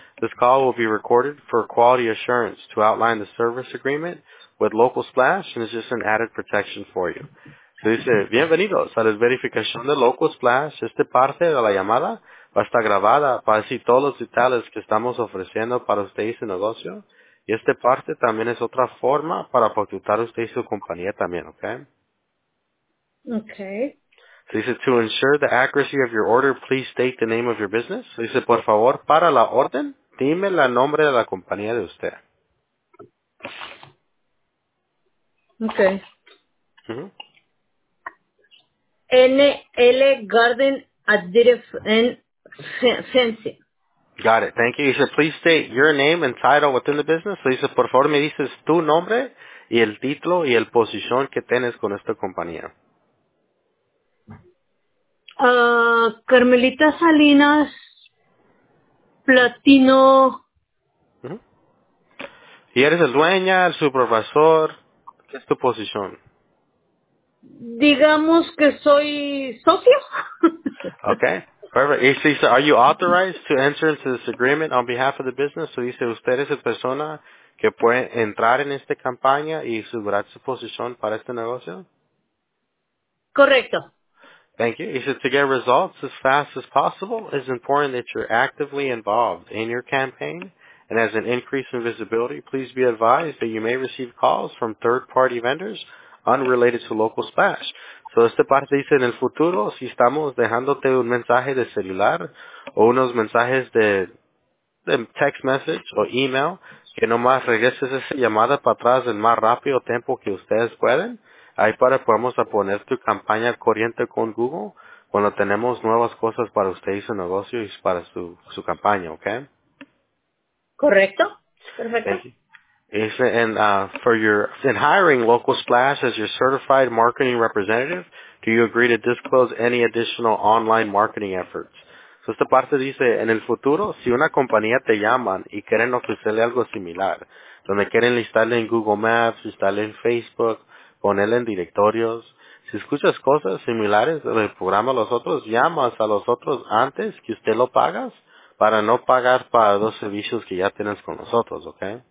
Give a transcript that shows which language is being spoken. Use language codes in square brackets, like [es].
[en] This call will be recorded for quality assurance to outline the service agreement with Local Splash, and it's just an added protection for you. So he said, [es] bienvenidos a la verificación de Local Splash. Esta parte de la llamada va a estar grabada para decir todos los detalles que estamos ofreciendo para usted y su negocio. Y esta parte también es otra forma para facturar usted y su compañía también, okay? [en] Okay. So he said, to ensure the accuracy of your order, please state the name of your business. So he said, [es] por favor, para la orden, dime la nombre de la compañía de usted. [en] Okay. Mm-hmm. NL Garden at Diffen Fence. Got it. Thank you. You should please state your name and title within the business. So you should, [es] por favor, me dices tu nombre y el título y el posición que tienes con esta compañía. Carmelita Salinas, Platino. Uh-huh. ¿Y eres el dueña, el supervisor? ¿Qué es tu posición? Digamos que soy socio. [en] Okay. Perfect. So, are you authorized to enter into this agreement on behalf of the business? [es] So, dice usted es la persona que puede entrar en esta campaña y asegurar su posición para este negocio? Correcto. [en] Thank you. He says to get results as fast as possible, it's important that you're actively involved in your campaign and has an increase in visibility. Please be advised that you may receive calls from third-party vendors unrelated to local Splash. [es] So, esta parte dice, en el futuro, si estamos dejándote un mensaje de celular o unos mensajes de text message o email, que nomás regreses esa llamada para atrás en más rápido tiempo que ustedes pueden, ahí para podemos poner tu campaña corriente con Google cuando tenemos nuevas cosas para usted y su negocio y para su campaña, ¿ok? Correcto. Perfecto. [en] In hiring Local Splash as your certified marketing representative, do you agree to disclose any additional online marketing efforts? [es] So esta parte dice, en el futuro, si una compañía te llaman y quieren ofrecerle algo similar, donde quieren listarle en Google Maps, listarle en Facebook, ponerle en directorios, si escuchas cosas similares del programa a los otros, llamas a los otros antes que usted lo pagas para no pagar para los servicios que ya tienes con nosotros, ¿ok?